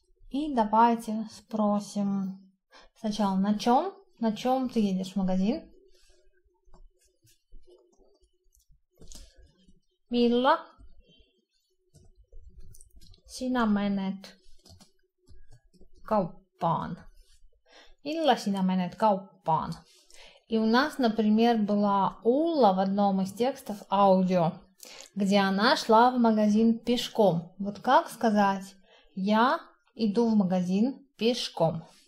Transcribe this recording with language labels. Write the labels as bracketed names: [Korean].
[Russian] И давайте спросим сначала, на чем ты едешь в магазин? [Finnish] Milla sinä menet kauppaan? Milla sinä menet kauppaan? [Russian] И у нас, например, была Улла в одном из текстов аудио, где она шла в магазин пешком. Вот как сказать «Я иду в магазин пешком»?